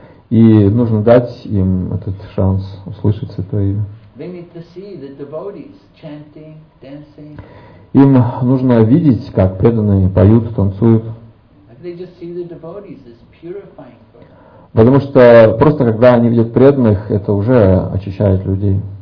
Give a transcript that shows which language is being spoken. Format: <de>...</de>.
<ru>И нужно дать им этот шанс услышать святое имя.</ru> <en>They need to see the devotees chanting, dancing.</en> <ru>Им нужно видеть, как преданные поют, танцуют.</ru> <en>They just see the devotees as purifying.</en> <ru>Потому что просто когда они видят преданных, это уже очищает людей.</ru>